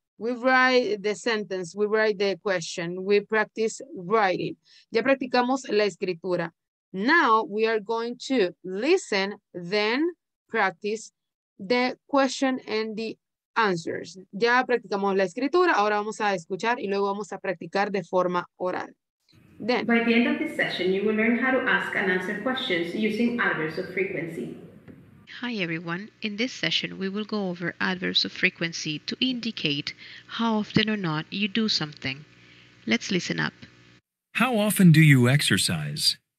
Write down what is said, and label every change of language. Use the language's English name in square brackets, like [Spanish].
[English] We write the sentence, we write the question, we practice writing. [Spanish] Ya practicamos la escritura. [English] Now we are going to listen, then practice the question and the answers. [Spanish] Ya practicamos la escritura, ahora vamos a escuchar y luego vamos a practicar de forma oral. [English] Then. By the end of this session, you will learn how to ask and answer questions using adverbs of frequency. Hi everyone, in this session we will go over adverbs of frequency to indicate how often or not you do something. Let's listen up. How often do you exercise?